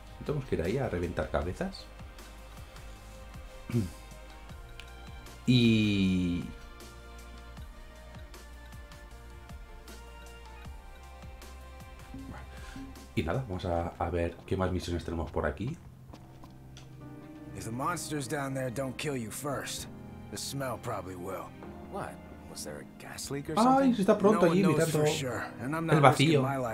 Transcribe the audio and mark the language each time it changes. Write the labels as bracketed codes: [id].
[es] Tenemos que ir ahí a reventar cabezas. Y nada, vamos a ver qué más misiones tenemos por aquí. [en] If the monsters down there don't kill you first, the smell probably will. What? [es] Ay, se está pronto allí mirando el vacío.